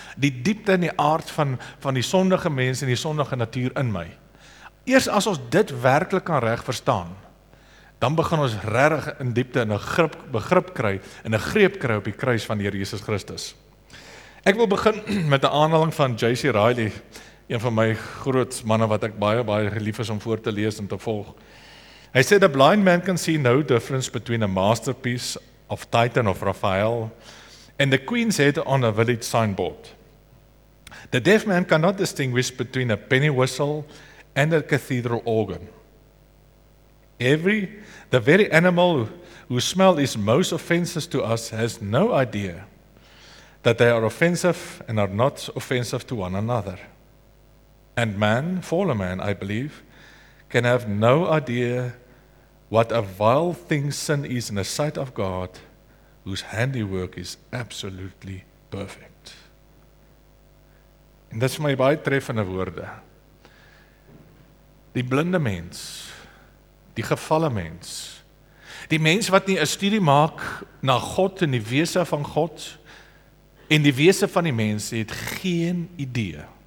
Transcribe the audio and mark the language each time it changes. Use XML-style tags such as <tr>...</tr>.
<af>Die diepte en die aard van die sondige mens en die sondige natuur in my. Eers as ons dit werklik kan reg verstaan, dan begin ons regtig in diepte en 'n grip begrip kry en 'n greep kry op die kruis van die Here Jesus Christus. Ek wil begin met 'n aanhaling van J.C. Riley, een van my groot manne wat ek baie baie gelief is om voor te lees en te volg. Hy sê,</af> <en>"The blind man can see no difference between a masterpiece of Titian of Raphael and the Queen's Head on a village signboard. The deaf man cannot distinguish between a penny whistle and a cathedral organ. The very animal whose smell is most offensive to us has no idea that they are offensive and are not offensive to one another. And man, fallen man, I believe, can have no idea what a vile thing sin is in the sight of God, whose handiwork is absolutely perfect."</en> <af>En dit is my baie treffende woorde. Die blinde mens, die gevalle mens, die mens wat nie 'n studie maak na God en die wese van God, en die wese van die mens het geen idee.</af>